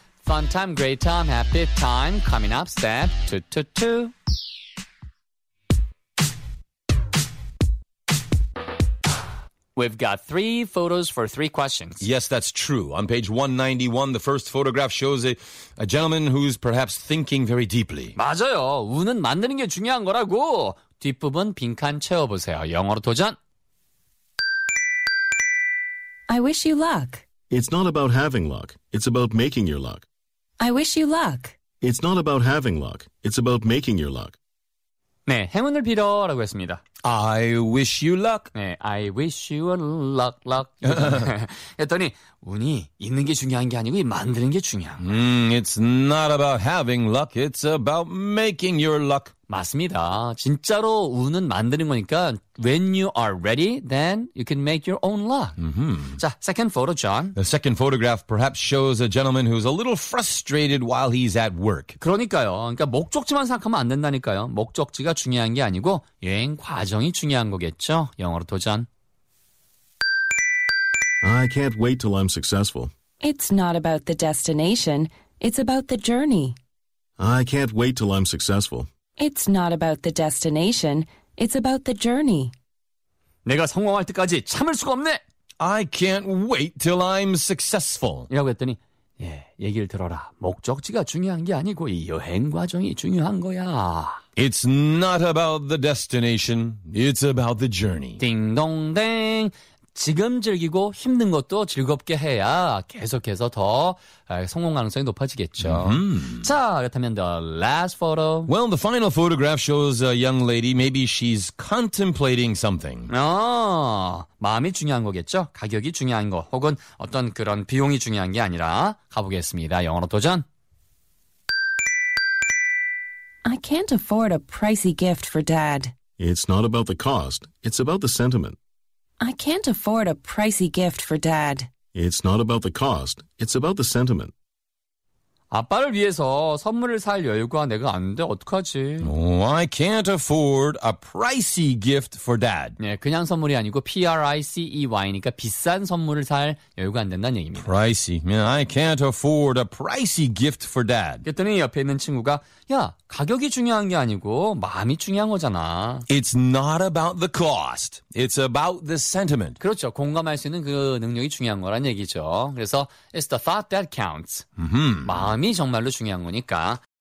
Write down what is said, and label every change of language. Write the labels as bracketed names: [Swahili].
[English] Fun time, great time, happy time, coming up, step 2-2-2. We've got three photos for three questions. Yes, that's true. On page 191, the first photograph shows a gentleman who's perhaps thinking very deeply. [Korean] 맞아요. 운은 만드는 게 중요한 거라고. 뒷부분 빈칸 채워보세요. 영어로 도전. [English] I wish you luck. It's not about having luck. It's about making your luck. I wish you luck. It's not about having luck. It's about making your luck. [Korean] 네, 행운을 빌어라고 했습니다. [English] I wish you luck. 네, I wish you a luck, luck. [Korean] 했더니 운이 있는 게 중요한 게 아니고 만드는 게 중요한 거예요. [English] It's not about having luck. It's about making your luck. [Korean] 맞습니다. 진짜로 운은 만드는 거니까 [English] when you are ready, then you can make your own luck. Mm-hmm. 자, second photo, John. The second photograph perhaps shows a gentleman who's a little frustrated while he's at work. [Korean] 그러니까요. 그러니까 목적지만 생각하면 안 된다니까요. 목적지가 중요한 게 아니고 여행 과정이 중요한 거겠죠. 영어로 도전. [English] I can't wait till I'm successful. It's not about the destination. It's about the journey. I can't wait till I'm successful. It's not about the destination. It's about the journey. [Korean] 내가 성공할 때까지 참을 수가 없네. [English] I can't wait till I'm successful. [Korean] 이라고 했더니, 예, 얘기를 들어라. 목적지가 중요한 게 아니고 이 여행 과정이 중요한 거야. [English] It's not about the destination. It's about the journey. [Korean] 딩동댕. 지금 즐기고 힘든 것도 즐겁게 해야 계속해서 더 성공 가능성이 높아지겠죠. Mm-hmm. 자, 그렇다면 [English] the last photo. Well, the final photograph shows a young lady. Maybe she's contemplating something. [Korean] 아, 마음이 중요한 거겠죠. 가격이 중요한 거 혹은 어떤 그런 비용이 중요한 게 아니라 가보겠습니다. 영어로 도전. [English] I can't afford a pricey gift for Dad. It's not about the cost. It's about the sentiment. I can't afford a pricey gift for Dad. It's not about the cost. It's about the sentiment. [Korean] 아빠를 위해서 선물을 살 여유가 내가 안 돼. 어떡하지? [English] Oh, I can't afford a pricey gift for Dad. [Korean] 네, 그냥 선물이 아니고 P-R-I-C-E-Y니까 비싼 선물을 살 여유가 안 된다는 얘기입니다. [English] Pricey. Man, I can't afford a pricey gift for Dad. [Korean] 그랬더니 옆에 있는 친구가 야, 가격이 중요한 게 아니고 마음이 중요한 거잖아. [English] It's not about the cost. It's about the sentiment. [Korean] 그렇죠. 공감할 수 있는 그 능력이 중요한 거란 얘기죠. 그래서 [English] It's the thought that counts. Mm-hmm. [Korean] 마음이 정말로 중요한 거니까.